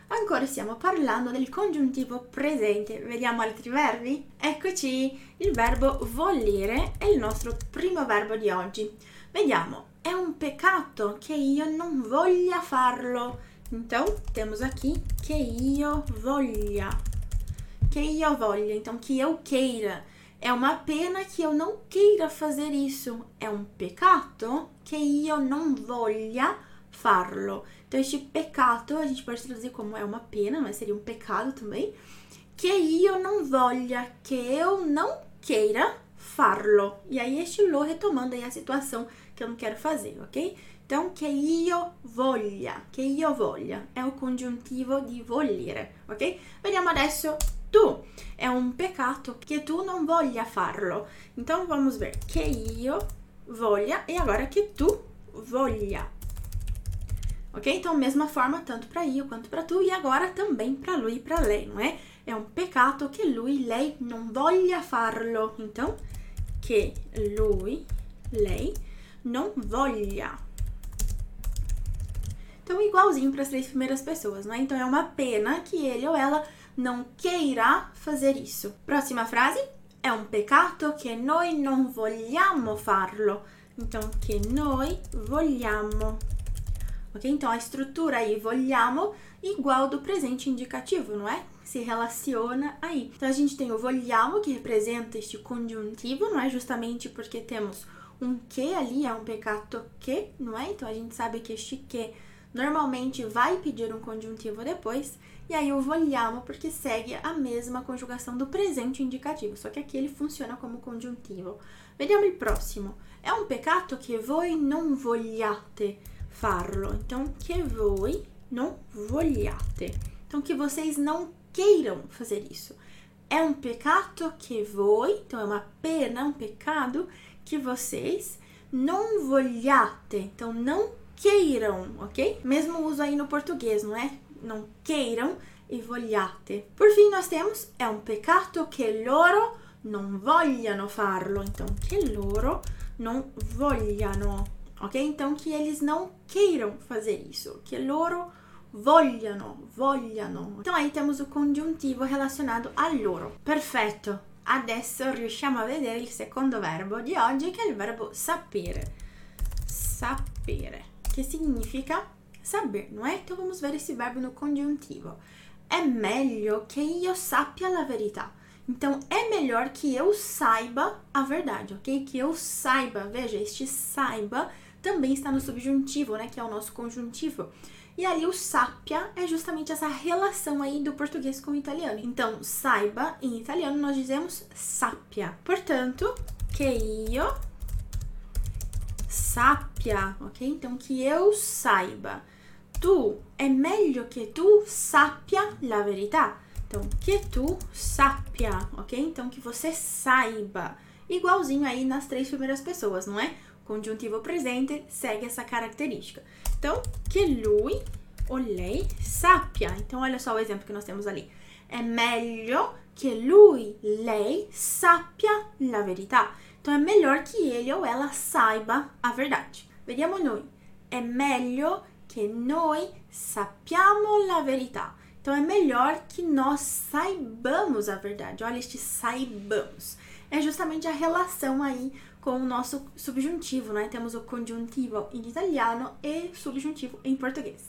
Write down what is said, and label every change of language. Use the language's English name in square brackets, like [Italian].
[Italian] Ancora stiamo parlando del congiuntivo presente, vediamo altri verbi? Eccoci, il verbo volere è il nostro primo verbo di oggi. Vediamo, è un peccato che io non voglia farlo. [Portuguese] Então, temos aqui [Italian] che io voglia. Che io voglia, [Portuguese] então, que eu queira. [Italian] È una pena che io non voglia fare questo. È un peccato che io non voglia farlo. [Portuguese] Então, esse peccato, a gente pode traduzir [Italian] come è una pena, ma [Portuguese] seria un peccato também. [Italian] Che io non voglia, che io non queira farlo. [Portuguese] E aí, este lo retomando aí a situação che eu non quero fare, ok? Então, [Italian] che io voglia, [Portuguese] è o congiuntivo di volere, ok? [Italian] Vediamo adesso. Tu, è un peccato che tu non voglia farlo. [Portuguese] Então vamos ver [Italian] che io voglia [Portuguese] e agora [Italian] che tu voglia. [Portuguese] Ok? Então mesma forma tanto para io quanto para tu e agora também para lui e para lei, não é? [Italian] È un peccato che lui, lei non voglia farlo. Então che lui, lei non voglia. [Portuguese] Então igualzinho para as três primeiras pessoas, não é? Então é uma pena que ele ou ela non queira fare isso. [Italian] Prossima frase. È un peccato che noi non vogliamo farlo. Então, che noi vogliamo. Ok? [Portuguese] Então, a struttura aí, vogliamo, igual do presente indicativo, não é? Se relaciona aí. Então, a gente tem o vogliamo, que representa este congiuntivo, não é? Justamente porque temos um que ali, é um peccato che, não é? Então, a gente sabe que este que normalmente vai pedir um congiuntivo depois. E aí, o vogliamo, porque segue a mesma conjugação do presente indicativo, só que aqui ele funciona como congiuntivo. [Italian] Vediamo il prossimo. È un peccato che voi non vogliate farlo. Então, che voi non vogliate. [Portuguese] Então, che vocês non queiram fare isso. [Italian] È un peccato che voi, então, è una pena, un peccato, che vocês non vogliate. [Portuguese] Então, non queiram, ok? Mesmo uso aí no português, não é? Non queiram e vogliate. Por fim, nós temos, [Italian] è un peccato che loro non vogliano farlo. Então, che loro non vogliano. Ok? [Portuguese] Então, che eles non queiram fare isso. [Italian] Che loro vogliano, vogliano. [Portuguese] Então, aí temos o congiuntivo relacionato a loro. [Italian] Perfetto. Adesso riusciamo a vedere il secondo verbo di oggi, che è il verbo sapere. Sapere. Che significa? [Portuguese] Saber, não é? Então vamos ver esse verbo no congiuntivo. É melhor que eu [Italian] sappia la verità. [Portuguese] Então é melhor que eu saiba a verdade, ok? Que eu saiba. Veja, este saiba também está no subjuntivo, né? Que é o nosso conjuntivo. E aí o sappia é justamente essa relação aí do português com o italiano. Então, saiba, em italiano, nós dizemos sappia. Portanto, que eu sappia, ok? Então, que eu saiba. [Italian] Tu, è meglio che tu sappia la verità. [Portuguese] Então, [Italian] che tu sappia, [Portuguese] ok? Então, che você saiba. Igualzinho aí nas três primeiras pessoas, não é? Congiuntivo presente segue essa característica. [Italian] Então, che lui o lei sappia. [Portuguese] Então, olha só o exemplo que nós temos ali. [Italian] È meglio che lui, lei sappia la verità. [Portuguese] Então, è melhor che ele ou ela saiba a verdade. [Italian] Vediamo noi. È meglio che noi sappiamo la verità. [Portuguese] Então è melhor que nós saibamos a verdade. Olha este saibamos. É justamente a relação aí com o nosso subjuntivo, né? Temos o congiuntivo em italiano e subjuntivo em português.